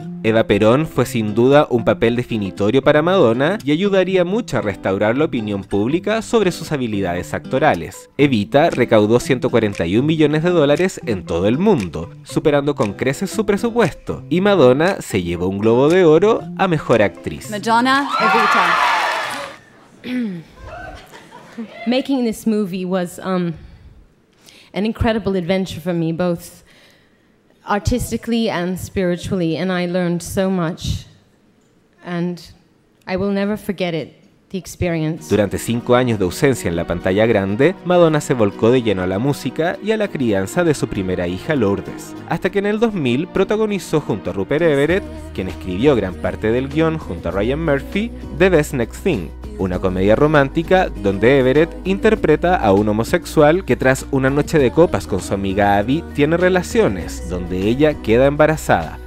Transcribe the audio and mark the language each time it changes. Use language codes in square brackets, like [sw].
[es] Eva Perón fue sin duda un papel definitorio para Madonna y ayudaría mucho a restaurar la opinión pública sobre sus habilidades actorales. Evita recaudó 141 millones de dólares en todo el mundo, superando con creces su presupuesto, y Madonna se llevó un Globo de Oro a Mejor Actriz. Madonna, Evita. [en] Making this movie was an incredible adventure for me, both artistically and spiritually, and I learned so much, and I will never forget it, the experience. [es] Durante 5 años de ausencia en la pantalla grande, Madonna se volcó de lleno a la música y a la crianza de su primera hija Lourdes, hasta que en el 2000 protagonizó junto a Rupert Everett, quien escribió gran parte del guion junto a Ryan Murphy, The Best Next Thing, una comedia romántica donde Everett interpreta a un homosexual que tras una noche de copas con su amiga Abby tiene relaciones, donde ella queda embarazada.